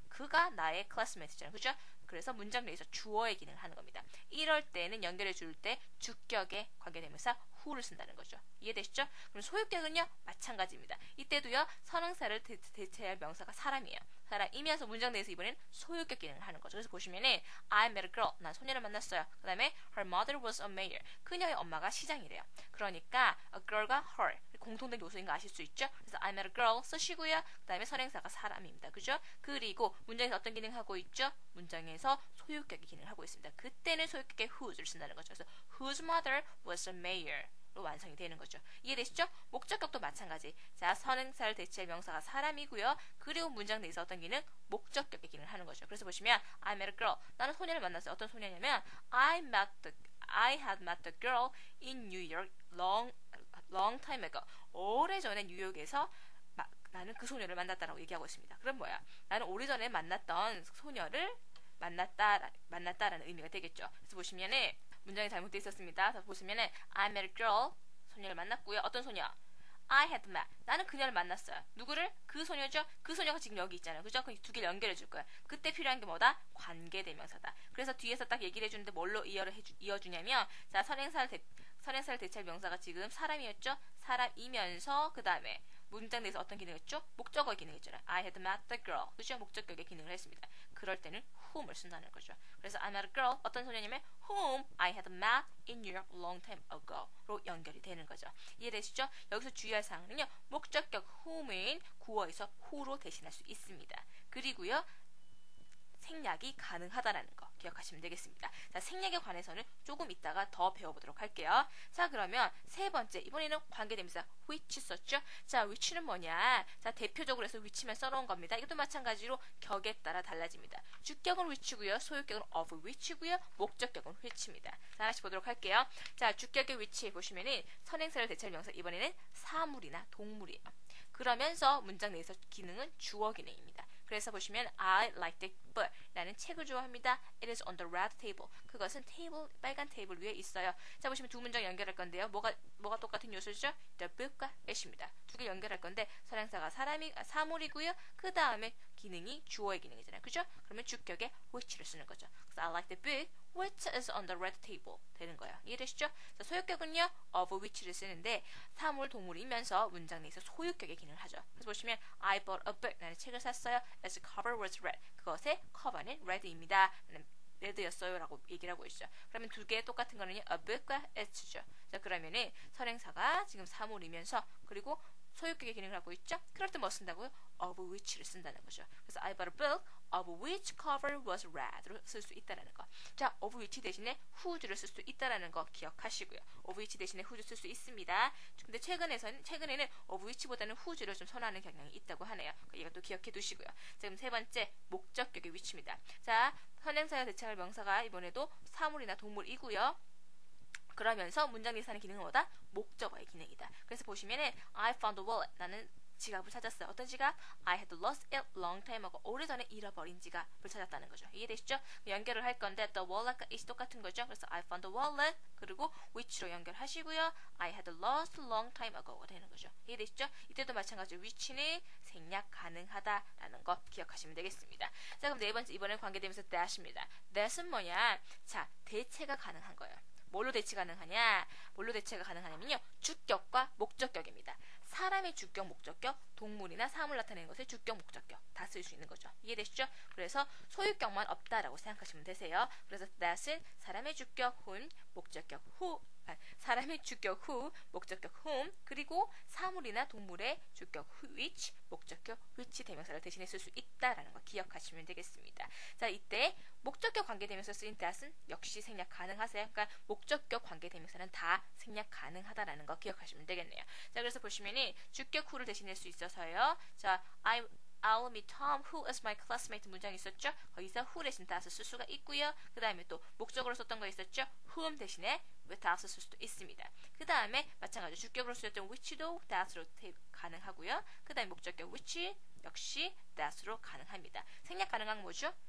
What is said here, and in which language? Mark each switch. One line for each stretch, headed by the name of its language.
Korean: 그가 나의 classmate잖아요. 그죠? 그래서 문장 내에서 주어의 기능을 하는 겁니다. 이럴 때는 연결해 줄 때 주격에 관계되면서 who를 쓴다는 거죠. 이해되시죠? 그럼 소유격은요? 마찬가지입니다. 이때도요, 선행사를 대체할 명사가 사람이에요. 사람이면서 문장 내에서 이번엔 소유격 기능을 하는 거죠. 그래서 보시면은
English: I met a girl.
Korean: 난 소녀를 만났어요. 그 다음에
English: her mother was a mayor.
Korean: 그녀의 엄마가 시장이래요. 그러니까 a girl과 her. 공통된 요소인 거 아실 수 있죠? 그래서
English: I met a girl
Korean: 쓰시고요. 그 다음에 선행사가 사람입니다. 그죠? 그리고 문장에서 어떤 기능을 하고 있죠? 문장에서 소유격의 기능을 하고 있습니다. 그때는 소유격의 whose를 쓴다는 거죠.
English: 그래서 whose mother was a mayor.
Korean: 완성이 되는 거죠. 이해되시죠? 목적격도 마찬가지. 자, 선행사를 대체할 명사가 사람이고요. 그리고 문장 내에서 어떤 기능? 목적격의 기능을 하는 거죠.
English: 그래서 보시면 I met a girl.
Korean: 나는 소녀를 만났어요. 어떤 소녀냐면
English: I had met the girl in New York long time ago.
Korean: 오래전에 뉴욕에서 나는 그 소녀를 만났다라고 얘기하고 있습니다. 그럼 뭐야? 나는 오래전에 만났던 소녀를 만났다라는 의미가 되겠죠. 그래서 보시면은 문장이 잘못되어 있었습니다.
English: 보시면 I met a girl.
Korean: 소녀를 만났고요. 어떤 소녀?
English: I had met.
Korean: 나는 그녀를 만났어요. 누구를? 그 소녀죠? 그 소녀가 지금 여기 있잖아요. 그죠? 그 두 개를 연결해 줄 거예요. 그때 필요한 게 뭐다? 관계대명사다. 그래서 뒤에서 딱 얘기를 해주는데 뭘로 이어주냐면 자, 선행사를 대체할 명사가 지금 사람이었죠? 사람이면서 그 다음에 문장 내에서 어떤 기능이었죠? 목적어 기능이었잖아요.
English: I had met the girl.
Korean: 그죠? 목적격의 기능을 했습니다. 그럴 때는 whom을 쓴다는 거죠. 그래서
English: I met a girl.
Korean: 어떤 소녀냐면
English: whom I had met in New York long time ago로
Korean: 연결이 되는 거죠. 이해되시죠? 여기서 주의할 사항은요. 목적격 whom은 구어에서 who로 대신할 수 있습니다. 그리고요. 생략이 가능하다라는 거 기억하시면 되겠습니다. 자, 생략에 관해서는 조금 이따가 더 배워보도록 할게요. 자, 그러면 세 번째, 이번에는 관계대명사 which 썼죠? 자, which는 뭐냐? 자, 대표적으로 해서 which만 써놓은 겁니다. 이것도 마찬가지로 격에 따라 달라집니다. 주격은 which고요. 소유격은 of which고요. 목적격은 which입니다. 자, 하나씩 보도록 할게요. 자, 주격의 which 보시면은 선행사를 대체할 명사 이번에는 사물이나 동물이에요. 그러면서 문장 내에서 기능은 주어 기능입니다. 그래서 보시면
English: I like the book.
Korean: 나는 책을 좋아합니다.
English: It is on the red table.
Korean: 그것은 테이블, 빨간 테이블 위에 있어요. 자, 보시면 두 문장 연결할 건데요. 뭐가 똑같은 요소죠? The book과 it입니다. 두 개 연결할 건데 선행사가 사물이고요. 그 다음에 기능이 주어의 기능이잖아요. 그죠? 그러면 주격에 which를 쓰는 거죠.
English: 그래서 I like the book. Which is on the red table
Korean: 되는 거예요. 이해되시죠? 자, 소유격은요 of which를 쓰는데 사물 동물이면서 문장 내에서 소유격의 기능을 하죠. 그래서 보시면
English: I bought a book.
Korean: 나는 책을 샀어요.
English: Its cover was red.
Korean: 그것의 커버는 red입니다. read였어요라고 얘기를 하고 있죠. 그러면 두 개의 똑같은 거는 a book과 it죠. 자, 그러면은 선행사가 지금 사물이면서 그리고 소유격의 기능을 하고 있죠. 그럴 때 뭐 쓴다고요? of which를 쓴다는 거죠. 그래서
English: I bought a book of which cover was red로
Korean: 쓸 수 있다라는 거. 자, of which 대신에 whose를 쓸 수 있다라는 거 기억하시고요. of which 대신에 whose 쓸 수 있습니다. 근데 최근에는 of which보다는 whose를 좀 선호하는 경향이 있다고 하네요. 이거 또 기억해 두시고요. 자, 그럼 세 번째 목적격의 위치입니다. 자, 선행사와 대체할 명사가 이번에도 사물이나 동물이고요. 그러면서 문장 리스트하는 기능은 뭐다? 목적어의 기능이다.
English: 그래서 보시면은 I found a wallet.
Korean: 나는 지갑을 찾았어요. 어떤 지갑?
English: I had lost it long time ago.
Korean: 오래전에 잃어버린 지갑을 찾았다는 거죠. 이해되시죠? 연결을 할 건데 the wallet과 is 똑같은 거죠.
English: 그래서 I found a wallet.
Korean: 그리고 which로 연결하시고요.
English: I had lost long time ago가
Korean: 되는 거죠. 이해되시죠? 이때도 마찬가지로 which는 생략 가능하다라는 거 기억하시면 되겠습니다. 자, 그럼 네 번째 이번에 관계되면서 that입니다. that은 뭐냐? 자, 대체가 가능한 거예요. 뭘로 대체 가능하냐? 뭘로 대체가 가능하냐면요. 주격과 목적격입니다. 사람의 주격, 목적격, 동물이나 사물 나타내는 것의 주격, 목적격 다 쓸 수 있는 거죠. 이해되시죠? 그래서 소유격만 없다라고 생각하시면 되세요. 그래서 that은 사람의 주격 whom, 목적격 who, 사람의 주격 who, 목적격 whom, 그리고 사물이나 동물의 주격 which, 목적격 which 대명사를 대신에 쓸 수 있다라는 거 기억하시면 되겠습니다. 자, 이때 목적격 관계대명사 쓰인 that은 역시 생략 가능하세요. 그러니까 목적격 관계대명사는 다 생략 가능하다라는 거 기억하시면 되겠네요. 자, 그래서 보시면은 주격 who를 대신할 수 있어서요.
English: 자, I'll meet Tom who is my classmate
Korean: 문장이 있었죠. 거기서 who 대신 that을 쓸 수가 있고요. 그 다음에 또 목적으로 썼던 거 있었죠. whom 대신에 that을 쓸 수도 있습니다. 그 다음에 마찬가지로 주격으로 쓰였던 which도 that으로 가능하고요. 그 다음에 목적격 which 역시 that으로 가능합니다. 생략 가능한 건 뭐죠?